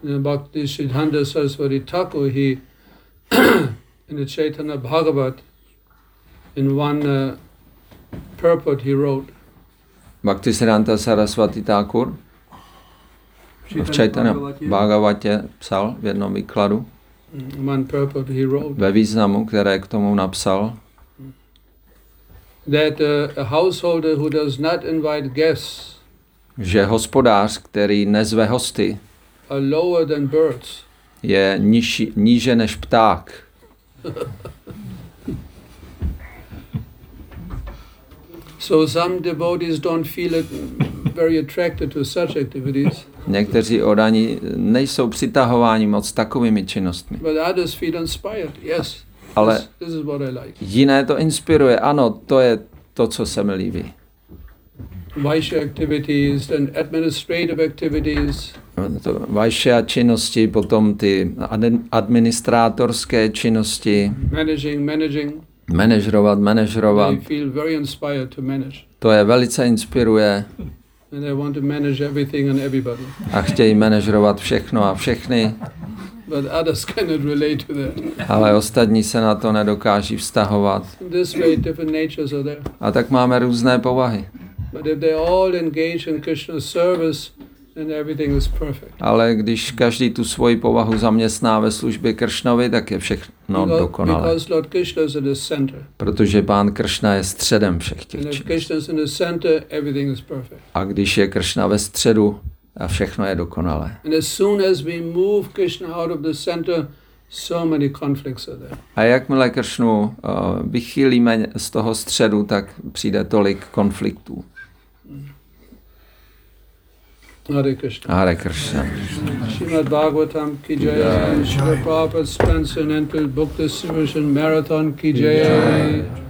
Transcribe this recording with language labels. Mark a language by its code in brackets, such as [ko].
[en] Bhakti Siddhanta Saraswati Thakur, he in the Chaitanya Bhagavat, in one purport he wrote. [cs] Bhakti Siddhanta Saraswati Thakur v Chaitanya Bhagavatě psal v jednom výkladu. [en] One purport he wrote. [cs] Ve významu, které k tomu napsal. [en] That a householder who does not invite guests. [cs] Že hospodář, který nezve hosty. [en] Are lower than birds. [cs] Je níže než pták. [en] So some devotees don't feel it very attracted to such activities. [cs] Někteří oddaní nejsou přitahováni moc takovými činnostmi. [en] But others feel inspired. Yes. [cs] Ale [en] this is what I like. [cs] Jiné to inspiruje. Ano, to je to, co se mi líbí. [en] Vaishya activities and administrative activities. [cs] Vaishya činnosti, potom ty administrátorské činnosti. [en] Managing. [cs] Manažerovat. [en] I feel very inspired to manage. [cs] To je velice inspiruje. [en] And I want to manage everything and everybody. [cs] A chtějí manažerovat všechno a všechny. [en] But others cannot relate to that. [cs] Ale ostatní se na to nedokáží vztahovat. [en] This way different natures are there. [cs] A tak máme různé povahy. [en] But if they all engage in Krishna's service, then everything is perfect. [cs] Ale když každý tu svoji povahu zaměstná ve službě Kršnovi, tak je všechno dokonalé. [en] Because Lord Krishna is in the center. [cs] Protože pán Kršna je středem všech těch činností. [en] And if Krishna is in the center, everything is perfect. [cs] A když je Kršna ve středu, a všechno je dokonalé. [en] And as soon as we move Krishna out of the center, so many conflicts are there. [cs] A jakmile Kršnu vychýlíme z toho středu, tak přijde tolik konfliktů. [hi] Hare Krishna. Srimad Bhagavatam ki jai. [en] Srila Prabhupada Transcendental Book Distribution Marathon ki jai.